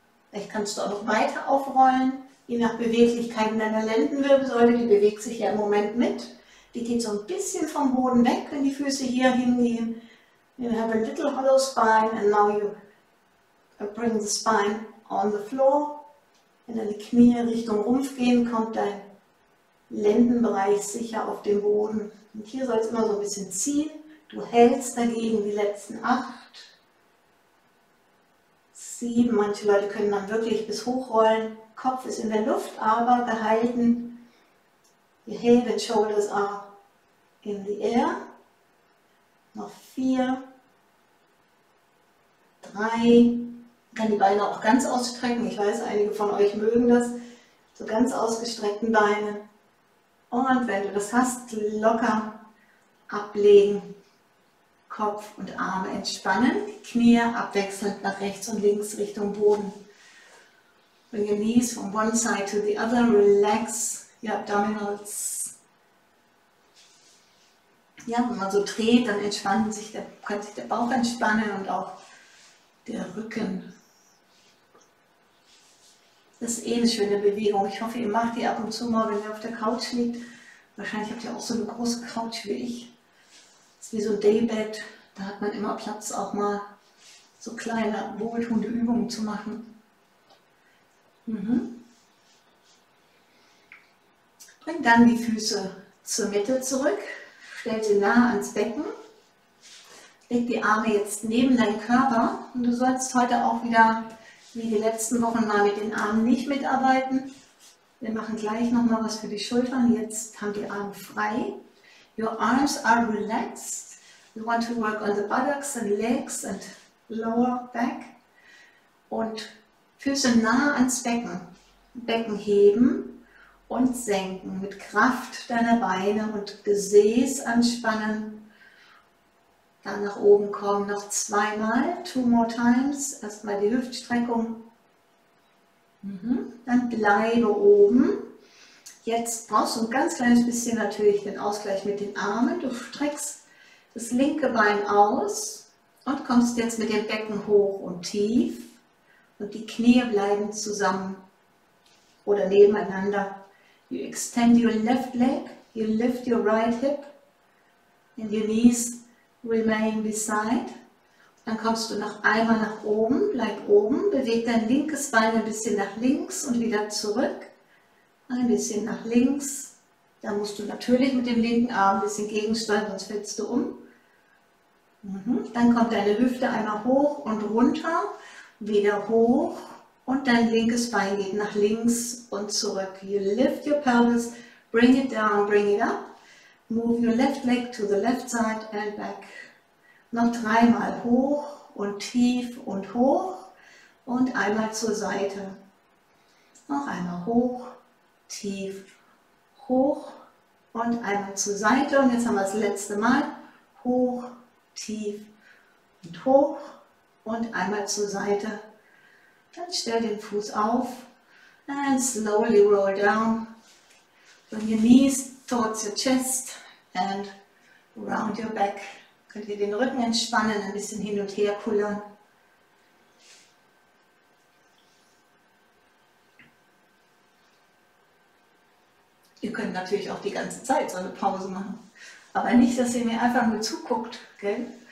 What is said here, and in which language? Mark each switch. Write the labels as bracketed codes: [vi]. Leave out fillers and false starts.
[de] Vielleicht kannst du auch noch weiter aufrollen, je nach Beweglichkeit in deiner Lendenwirbelsäule, die bewegt sich ja im Moment mit. Die geht so ein bisschen vom Boden weg, wenn die Füße hier hingehen. [en] You have a little hollow spine and now you bring the spine on the floor. [de] Wenn deine Knie Richtung Rumpf gehen, kommt dein Lendenbereich sicher auf den Boden. Und hier soll es immer so ein bisschen ziehen. Du hältst dagegen die letzten 8, 7. Manche Leute können dann wirklich bis hochrollen. Kopf ist in der Luft, aber gehalten. [en] Your head and shoulders are in the air. [de] Noch 4, 3. Kann die Beine auch ganz ausstrecken. Ich weiß, einige von euch mögen das. So ganz ausgestreckten Beine. Und wenn du das hast, locker ablegen. Kopf und Arme entspannen. Knie abwechselnd nach rechts und links Richtung Boden. [en] Bring your knees from one side to the other. Relax your abdominals. [de] Ja, wenn man so dreht, dann entspannt sich kann sich der Bauch entspannen und auch der Rücken. Das ist eh eine schöne Bewegung. Ich hoffe, ihr macht die ab und zu mal, wenn ihr auf der Couch liegt. Wahrscheinlich habt ihr auch so eine große Couch wie ich. Das ist wie so ein Daybed. Da hat man immer Platz, auch mal so kleine, wohltuende Übungen zu machen. Bring dann die Füße zur Mitte zurück. Stell sie nah ans Becken, leg die Arme jetzt neben deinen Körper und du sollst heute auch wieder, wie die letzten Wochen mal, mit den Armen nicht mitarbeiten. Wir machen gleich nochmal was für die Schultern, jetzt haben die Arme frei. [en] Your arms are relaxed, you want to work on the buttocks and legs and lower back. [de] Und Füße nah ans Becken, Becken heben. Und senken mit Kraft deiner Beine und Gesäß anspannen. Dann nach oben kommen noch 2-mal. [en] 2 more times. [de] Erstmal die Hüftstreckung. Dann bleibe oben. Jetzt brauchst du ein ganz kleines bisschen natürlich den Ausgleich mit den Armen. Du streckst das linke Bein aus und kommst jetzt mit dem Becken hoch und tief. Und die Knie bleiben zusammen oder nebeneinander. [en] You extend your left leg, you lift your right hip and your knees remain beside. [de] Dann kommst du noch einmal nach oben, bleib oben, beweg dein linkes Bein ein bisschen nach links und wieder zurück. Ein bisschen nach links. Da musst du natürlich mit dem linken Arm ein bisschen gegensteuern, sonst fällst du um. Dann kommt deine Hüfte einmal hoch und runter, wieder hoch. Und dein linkes Bein geht nach links und zurück. [en] You lift your pelvis, bring it down, bring it up. Move your left leg to the left side and back. [de] Noch 3-mal hoch und tief und hoch. Und einmal zur Seite. Noch einmal hoch, tief, hoch. Und einmal zur Seite. Und jetzt haben wir das letzte Mal. Hoch, tief und hoch. Und einmal zur Seite. Dann stell den Fuß auf [en] and slowly roll down. Bring your knees towards your chest and round your back. [de] Könnt ihr den Rücken entspannen, ein bisschen hin und her pullern. Ihr könnt natürlich auch die ganze Zeit so eine Pause machen. Aber nicht, dass ihr mir einfach nur zuguckt, gell?